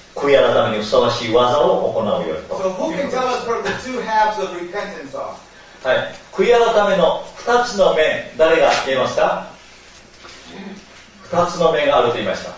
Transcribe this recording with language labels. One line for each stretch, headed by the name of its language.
Japanese: 悔い改めにふさわしい技を行うよと。
English: So who can tell us what the two halves of repentance are?
Japanese: はい。悔い改めの2つの面、誰が言えますか？二つの面があると言いました。